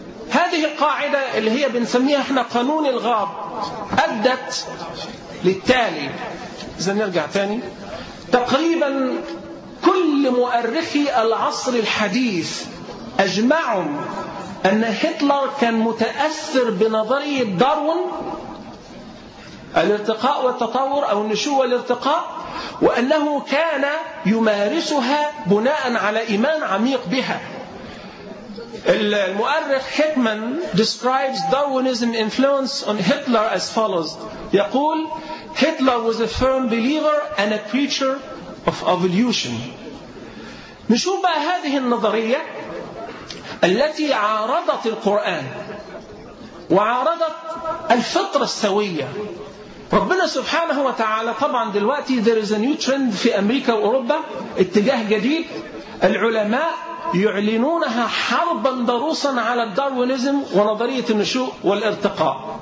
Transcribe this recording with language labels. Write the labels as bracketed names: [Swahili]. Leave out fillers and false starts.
[Arabic] هذه القاعدة اللي هي بنسميها احنا قانون الغاب أدت للتالي، إذا نرجع تاني، تقريبا كل مؤرخي العصر الحديث أجمعوا أن هتلر كان متأثر بنظرية داروين، الارتقاء والتطور أو النشوء والارتقاء، وأنه كان يمارسها بناء على إيمان عميق بها. المؤرخ هيكمان [English] describes Darwinism influence on Hitler as follows. [Arabic] يقول [English] Hitler was a firm believer and a preacher of evolution. [Arabic] نشوف بقى هذه النظرية التي عارضت القرآن وعارضت الفطرة السوية. ربنا سبحانه وتعالى طبعا دلوقتي [English] there is a new trend [Arabic] في أمريكا وأوروبا، اتجاه جديد، العلماء يعلنونها حربا ضروسا على الداروينيزم ونظرية النشوء والارتقاء.